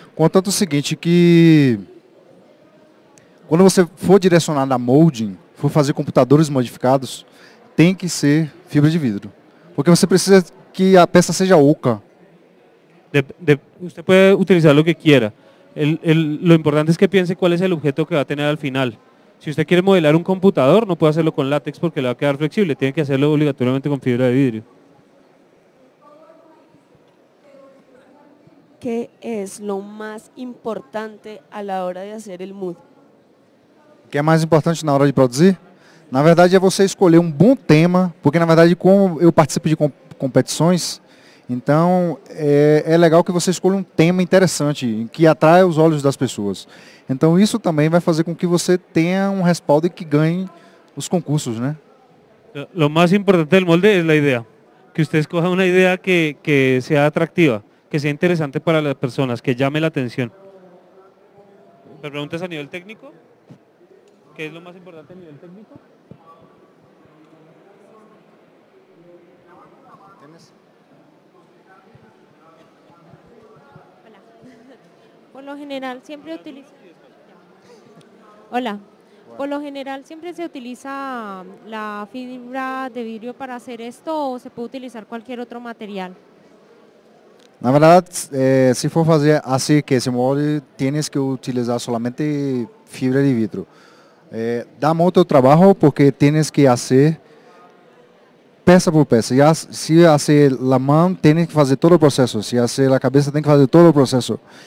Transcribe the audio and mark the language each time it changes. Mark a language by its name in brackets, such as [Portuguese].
[Portuguese] Contanto o seguinte, que quando você for direcionado a molding, for fazer computadores modificados, tem que ser fibra de vidro. Porque você precisa que a peça seja oca. Você pode utilizar o que quiera. [Spanish] Lo importante es que piense cuál es el objeto que va a tener al final. Si usted quiere modelar un computador, no puede hacerlo con látex porque le va a quedar flexible. Tiene que hacerlo obligatoriamente con fibra de vidrio. ¿Qué es lo más importante a la hora de hacer el mood? ¿Qué es más importante na hora de producir? [Portuguese] Na verdade, é você escolher um bom tema, porque na verdade, como eu participo de competições, então é legal que você escolha um tema interessante, que atrai os olhos das pessoas. Então isso também vai fazer com que você tenha um respaldo e que ganhe os concursos, né? O mais importante do molde é a ideia. Que você escolha uma ideia que seja atrativa, que seja interessante para as pessoas, que chame a atenção. Perguntas a nível técnico? [Spanish] ¿Qué es lo más importante a nivel técnico? ¿Tienes? Hola. Por lo general siempre utiliza. Hola. Por lo general siempre se utiliza la fibra de vidrio para hacer esto o se puede utilizar cualquier otro material. [Portuguese] Na verdade, se for fazer assim que esse molde, [Spanish] tienes que utilizar solamente [Portuguese] fibra de vidro. Dá muito trabalho porque tienes que fazer peça por peça. Se fazer a mão, tienes que fazer todo o processo. Se fazer a cabeça, tem que fazer todo o processo.